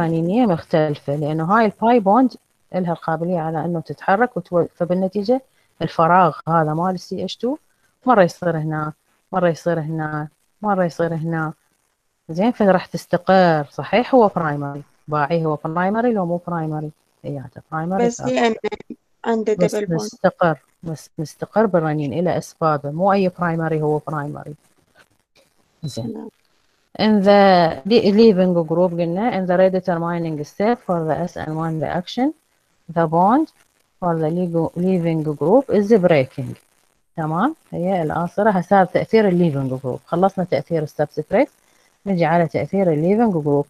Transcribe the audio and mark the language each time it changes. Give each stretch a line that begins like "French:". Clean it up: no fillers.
Arabic: رنينية مختلفة، لأنه هاي الباي بوند لها القابلية على أنه تتحرك فبالنتيجة الفراغ هذا مال السي اتش 2 مرة يصير هنا مرة يصير هنا مرة يصير هنا. زين فراح تستقر. صحيح هو برايمري، باعي هو برايمري لو مو برايمري؟ إياته برايمري بس هي ثابت، عنده بس دبل بوند. مستقر، بس مستقر بالرنين إلى أسبابه، مو أي برايمري هو برايمري. زين نعم
English: in the leaving group قلنا in the redetermining step for the SN1 reaction the bond for the leaving group is breaking.
Arabic: تمام، هي الآثرة حسب تأثير الليفينج جروب. خلصنا تأثير السبستريت، نجي على تأثير الليفينج جروب.